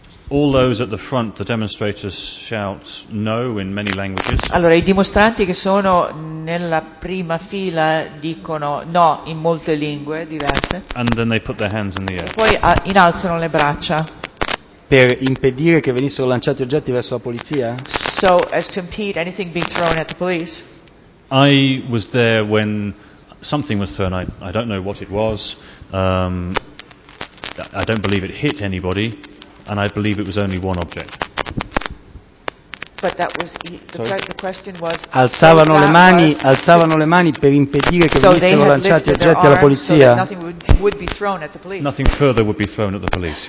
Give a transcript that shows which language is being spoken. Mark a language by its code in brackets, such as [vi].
[en] All those at the front, the demonstrators shout no in many languages. [it] Allora, i dimostranti che sono nella prima fila dicono no in molte lingue diverse. [en] And then they put their hands in the air. [it] E poi innalzano le braccia. Per impedire che venissero lanciati oggetti verso la polizia? [en] So as to impede anything being thrown at the police. I was there when something was thrown. I don't know what it was. I don't believe it hit anybody. And I believe it was only one object. But that was the question was. [it] Alzavano le mani, alzavano le mani per impedire che venissero lanciati oggetti alla polizia. [en] Nothing further would be thrown at the police.